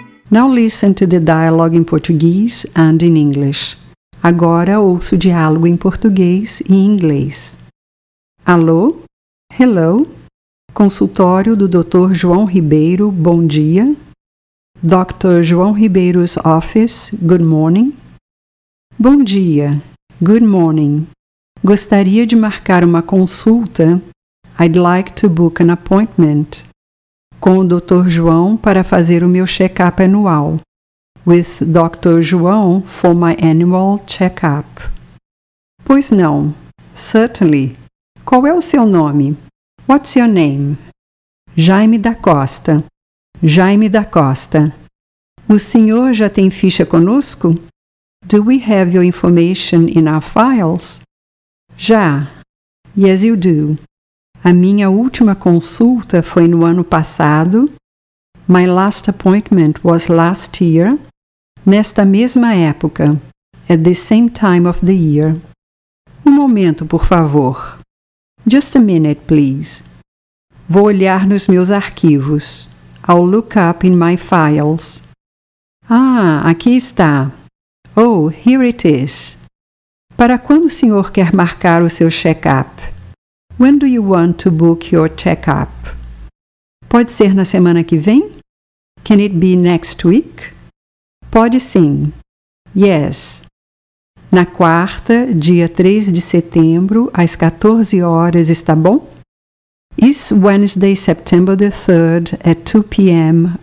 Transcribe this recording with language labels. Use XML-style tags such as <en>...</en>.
<en>Now listen to the dialogue in Portuguese and in English.</en> <pt>Agora ouça o diálogo em português e em inglês. Alô?</pt> <en>Hello?</en> <pt>Consultório do Dr. João Ribeiro, bom dia. Dr.</pt> <en>João Ribeiro's office, good morning.</en> <pt>Bom dia.</pt> <en>Good morning.</en> <pt>Gostaria de marcar uma consulta.</pt> <en>I'd like to book an appointment.</en> <pt>Com o Dr. João para fazer o meu check-up anual.</pt> <en>With Dr. João for my annual check-up.</en> <pt>Pois não.</pt> <en>Certainly.</en> <pt>Qual é o seu nome?</pt> <en>What's your name?</en> <pt>Jaime da Costa. Jaime da Costa. O senhor já tem ficha conosco?</pt> <en>Do we have your information in our files? Já. Yes, you do.</en> <pt>A minha última consulta foi no ano passado.</pt> <en>My last appointment was last year.</en> <pt>Nesta mesma época.</pt> <en>At the same time of the year.</en> <pt>Um momento, por favor.</pt> <en>Just a minute, please.</en> <pt>Vou olhar nos meus arquivos.</pt> <en>I'll look up in my files.</en> <pt>Ah, aqui está.</pt> <en>Oh, here it is.</en> <pt>Para quando o senhor quer marcar o seu check-up?</pt> <en>When do you want to book your check-up?</en> <pt>Pode ser na semana que vem?</pt> <en>Can it be next week?</en> <pt>Pode sim.</pt> <en>Yes.</en> <pt>Na quarta, dia 3 de setembro, às 14 horas, está bom?</pt> <en>Is Wednesday, September the 3rd, at 2 p.m.</en>